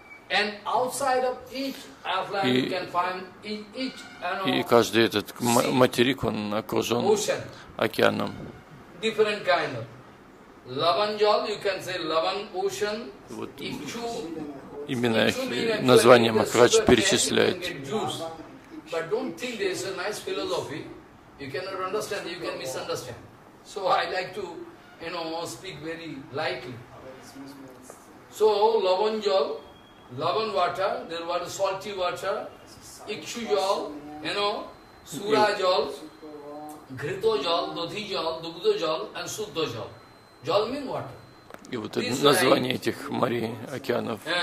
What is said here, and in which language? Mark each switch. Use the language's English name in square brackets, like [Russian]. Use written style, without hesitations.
[English] And outside of each outline, you can find each animal. [Russian] И каждый этот материк он окружен океаном. [English] Different kind of Lavan Jal. You can say Lavan Ocean. [Russian] Вот именно название Махарадж перечисляет. [English] But don't think there is a nice philosophy. You cannot understand. You can misunderstand. So I like to, you know, speak very lightly. So Lavan Jal. Lavan water, there was salty water, ikshu jal, you know, sura jal, ghrito jal, dodhi jal, dugdo jal, and suddo jal. Jal means water. [Russian] И вот название этих морей, океанов.